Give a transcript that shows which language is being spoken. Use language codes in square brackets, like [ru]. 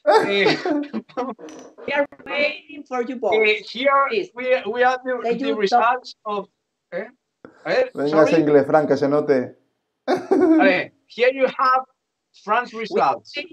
[en] We are waiting for you both. We have the results of... [es] ¿eh? Venga, es inglés, Frank, que se note. [en] Here you have France results.